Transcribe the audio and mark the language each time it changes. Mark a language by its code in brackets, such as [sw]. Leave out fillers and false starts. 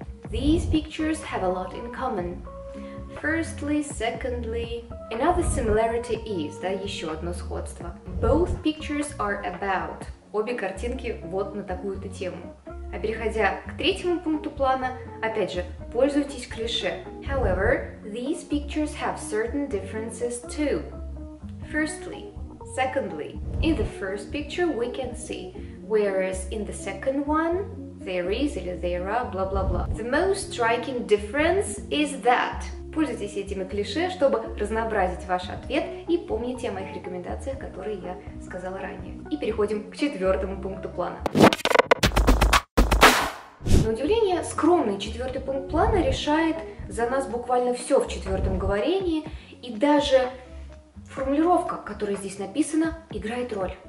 [en] These pictures have a lot in common. Firstly, secondly, another similarity is, [ru] да, еще одно сходство. [en] Both pictures are about. [ru] Обе картинки вот на такую-то тему. А переходя к третьему пункту плана, опять же, пользуйтесь клише. [en] However, these pictures have certain differences too. Firstly, secondly, in the first picture we can see, whereas in the second one, there is [ru] или [en] there are, blah-blah-blah. The most striking difference is that. [ru] Пользуйтесь этими клише, чтобы разнообразить ваш ответ, и помните о моих рекомендациях, которые я сказала ранее. И переходим к четвертому пункту плана. На удивление, скромный четвертый пункт плана решает за нас буквально все в четвертом говорении, и даже формулировка, которая здесь написана, играет роль.